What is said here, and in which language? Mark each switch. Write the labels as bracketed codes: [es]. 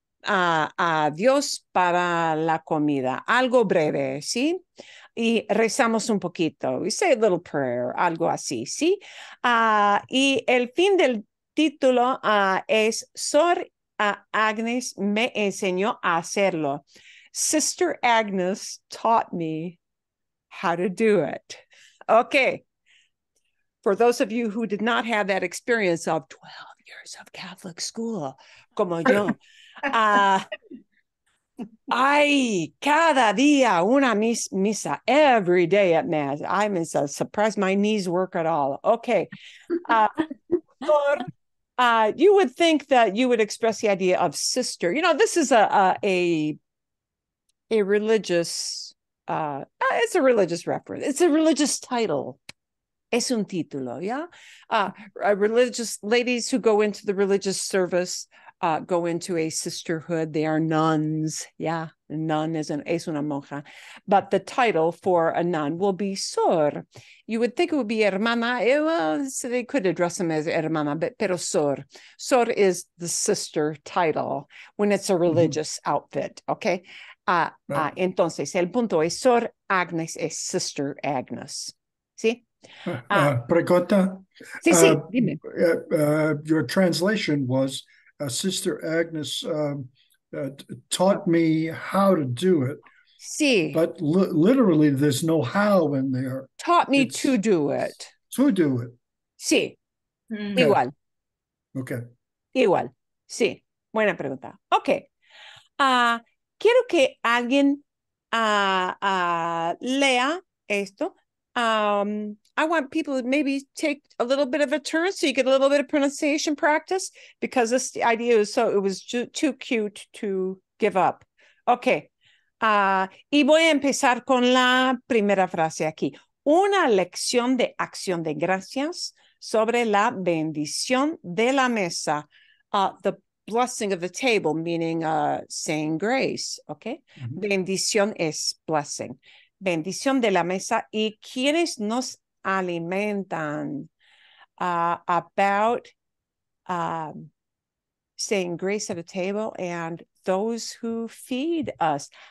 [es] a Dios para la comida. Algo breve, ¿sí? Y rezamos un poquito. [en] We say a little prayer, [es] algo así, ¿sí? Y el fin del título es Sor Agnes me enseñó a hacerlo. [en] Sister Agnes taught me how to do it. Okay. For those of you who did not have that experience of 12 years of Catholic school, [es] como yo, ay, cada día una misa, [en] every day at mass. I'm so surprised my knees work at all. Okay. You would think that you would express the idea of sister. You know, this is a religious, it's a religious reference. It's a religious title. [es] Es un título, [en] yeah? Religious ladies who go into the religious service go into a sisterhood. They are nuns, yeah? Nun [es] es una monja. [en] But the title for a nun will be sor. You would think it would be hermana. Well, so they could address them as hermana, but pero sor. Sor is the sister title when it's a religious mm-hmm. outfit, okay? [es] Entonces, el punto es Sor Agnes es Sister Agnes. ¿Sí? Pregunta. Sí, sí, dime. [en] Your translation was Sister Agnes taught me how to do it. [es] Sí. [en] But literally, there's no how in there. Taught me to do it. To do it. [es] Sí. Mm-hmm. Igual. [en] Okay. [es] Igual. Sí. Buena pregunta. Okay. Quiero que alguien lea esto. [en] I want people to maybe take a little bit of a turn so you get a little bit of pronunciation practice because this idea was so, it was too cute to give up. Okay. [es] Y voy a empezar con la primera frase aquí. Una lección de acción de gracias sobre la bendición de la mesa. [en] The blessing of the table, meaning saying grace, okay? [es] Mm-hmm. Bendición es blessing. Bendición de la mesa y quienes nos alimentan. [en] About saying grace at a table and those who feed us.